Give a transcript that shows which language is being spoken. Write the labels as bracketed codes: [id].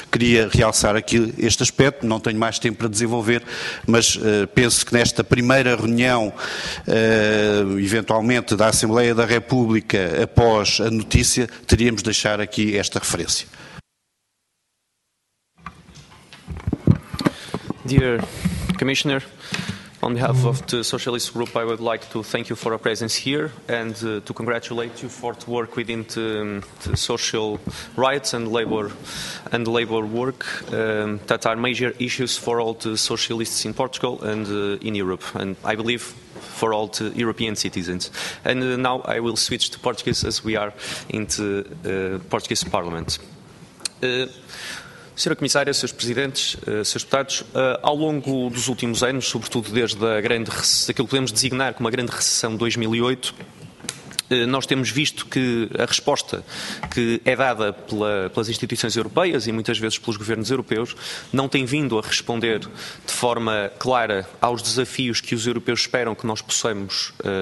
[pt] Queria realçar aqui este aspecto, não tenho mais tempo para desenvolver, mas penso que nesta primeira reunião, eventualmente, da Assembleia da República, após a notícia, teríamos de deixar aqui esta referência. [en] Dear Commissioner, on behalf of the Socialist Group, I would like to thank you for your presence here and to congratulate you for the work within the social rights and labor work that are major issues for all the socialists in Portugal and in Europe, and I believe for all the European citizens. And now I will switch to Portuguese as we are in the Portuguese Parliament. [pt] Sra. Comissária, Srs. Presidentes, Srs. Deputados, ao longo dos últimos anos, sobretudo desde aquilo que podemos designar como a grande recessão de 2008, nós temos visto que a resposta que é dada pelas instituições europeias e muitas vezes pelos governos europeus não tem vindo a responder de forma clara aos desafios que os europeus esperam que nós possamos